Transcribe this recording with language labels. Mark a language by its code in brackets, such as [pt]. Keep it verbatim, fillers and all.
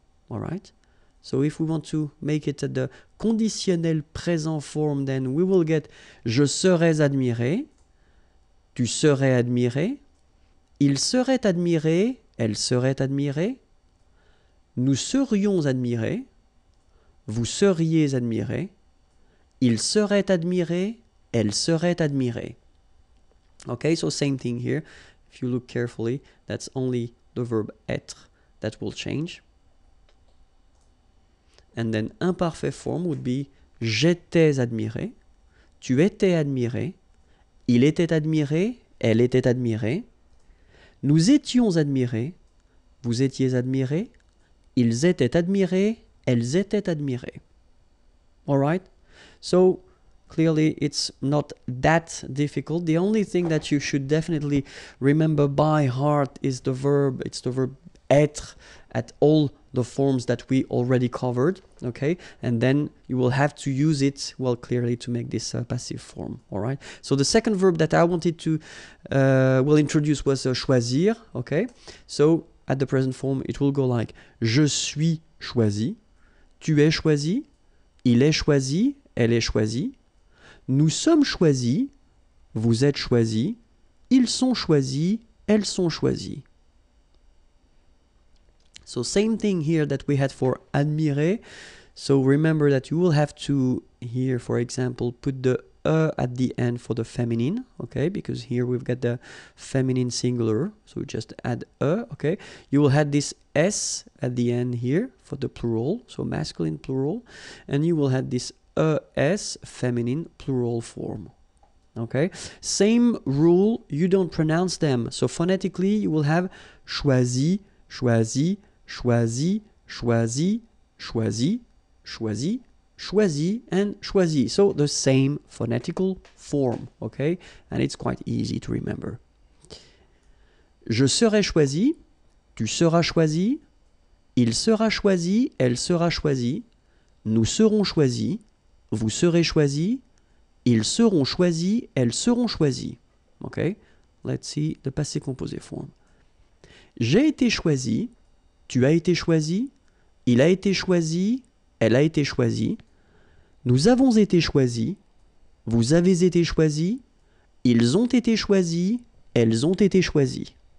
[en] All right? So if we want to make it at the conditionnel présent form, then we will get [fr] je serais admiré, tu serais admiré, Il serait admiré, elle serait admirée, nous serions admirés, vous seriez admirés, il serait admiré, elle serait admirée. [en] Okay, so same thing here. If you look carefully, that's only the verb être that will change. And then imparfait form would be [fr] j'étais admiré, tu étais admiré, il était admiré, elle était admirée, nous étions admirés, vous étiez admirés, ils étaient admirés, elles étaient admirées. [en] All right? So clearly it's not that difficult. The only thing that you should definitely remember by heart is the verb, it's the verb être at all the forms that we already covered, okay? And then you will have to use it, well, clearly to make this uh, passive form, all right? So the second verb that I wanted to, uh, will introduce was uh, choisir, okay? So at the present form, it will go like, [fr] je suis choisi, tu es choisi, il est choisi, elle est choisie, nous sommes choisis, vous êtes choisis, ils sont choisis, elles sont choisies. [en] So same thing here that we had for admirer. So remember that you will have to here, for example, put the e at the end for the feminine, okay? Because here we've got the feminine singular, so just add e, okay? You will have this s at the end here for the plural, so masculine plural, and you will have this es feminine plural form. Okay, same rule. You don't pronounce them. So phonetically, you will have choisi, choisi, choisi, choisi, choisi, choisi, choisi, and choisi. So the same phonetical form, okay? And it's quite easy to remember. [fr] Je serai choisi, tu seras choisi, il sera choisi, elle sera choisie, nous serons choisis, vous serez choisis, ils seront choisis, elles seront choisies. Okay? [en] Let's see the passé composé form. [fr] J'ai été choisi, tu as été choisi, il a été choisi, elle a été choisie, nous avons été choisis, vous avez été choisis, ils ont été choisis, elles ont été choisies.